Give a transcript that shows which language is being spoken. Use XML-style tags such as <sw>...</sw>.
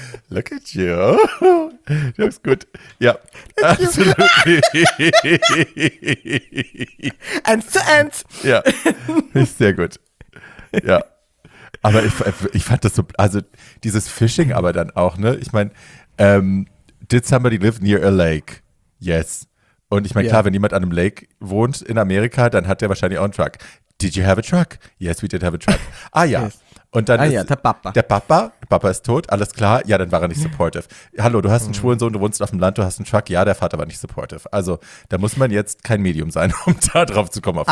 <en>Look at you. Looks good. Ja, yeah. Absolutely. And so ends.</en> <de>Ja, ist sehr gut. Ja, aber ich fand das so, also dieses Fishing aber dann auch, ne? Ich meine,</de> <en>did somebody live near a lake? Yes.</en> <de>Und ich meine,</de> <en>yeah,</en> <de>klar, wenn jemand an einem Lake wohnt in Amerika, dann hat der wahrscheinlich auch einen Truck.</de> <en>Did you have a truck? Yes, we did have a truck.</en> <de>Ah ja.</de> <en>Yes.</en> <de>Und dann ah ja, der Papa. Der Papa ist tot, alles klar. Ja, dann war er nicht supportive. Hallo, du hast einen schwulen Sohn, du wohnst auf dem Land, du hast einen Truck. Ja, der Vater war nicht supportive. Also, da muss man jetzt kein Medium sein, um da drauf zu kommen auf die</de>